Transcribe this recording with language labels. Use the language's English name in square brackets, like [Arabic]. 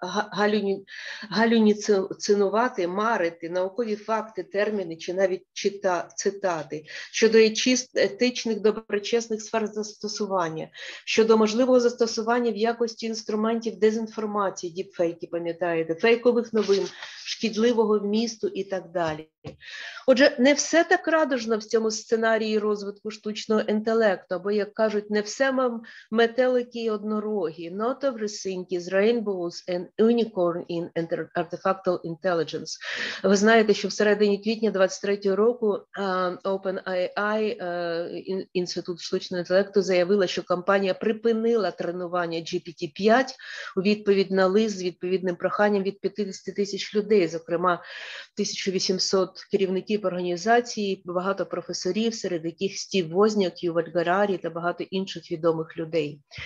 [Ukrainian] галюцинувати, марити наукові факти, терміни чи навіть цитати щодо етичних доброчесних сфер застосування, щодо можливого застосування в якості інструментів дезінформації, діпфейки, пам'ятаєте, фейкових новин, шкідливого вмісту і так далі. Отже, не все так радужно в цьому сценарії розвитку штучного інтелекту, або, як кажуть, не все метелики і однороги. [English] Not everything is rainbows and unicorn in artificial intelligence. [Ukrainian] Ви знаєте, що всередині квітня 23-го року OpenAI, Інститут штучного інтелекту, заявила, що компанія припинила тренування GPT-5 у відповідь на лист з відповідним проханням від 50 тисяч людей, зокрема 1800 керівників організації, багато професорів, серед яких Стів Возняк, Юваль Гарарі та багато інших відомих людей.